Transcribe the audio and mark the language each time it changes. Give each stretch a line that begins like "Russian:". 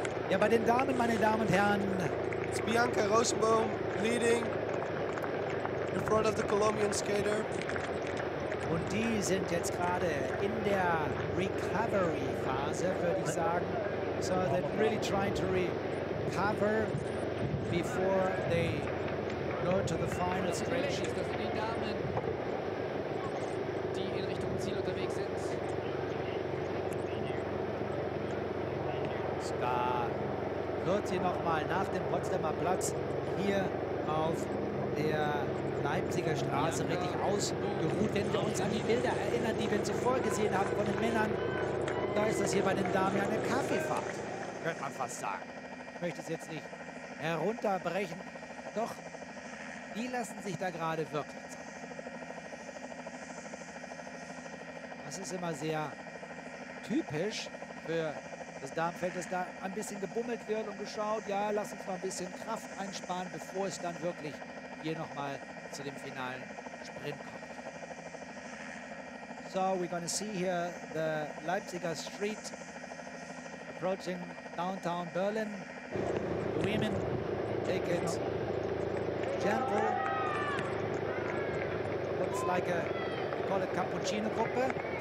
German: Ja, bei den Damen, meine Damen und Herren.
English: It's Bianca Rosenbaum leading in front of the Colombian skater.
German: Und die sind jetzt gerade in der Recovery-Phase, würde ich sagen.
English: So, they're really trying to recover before they go to the final stretch.
German: Das sind die Damen, die in Richtung Ziel unterwegs sind. Da hört sie nochmal nach dem Potsdamer Platz hier auf der Leipziger Straße richtig ausgeruht, wenn wir uns an die Bilder erinnern, die wir zuvor gesehen haben von den Männern. Da ist das hier bei den Damen eine Kaffeefahrt, könnte man fast sagen. Ich möchte es jetzt nicht herunterbrechen, doch die lassen sich da gerade wirklich zeigen. Das ist immer sehr typisch für das Damenfeld, dass da ein bisschen gebummelt wird und geschaut, ja, lass uns mal ein bisschen Kraft einsparen, bevor es dann wirklich hier nochmal zu dem finalen Sprint kommt.
English: So, we're going to see here the Leipziger Street approaching downtown Berlin. The women take it gentle. Looks like we call it Cappuccino Gruppe.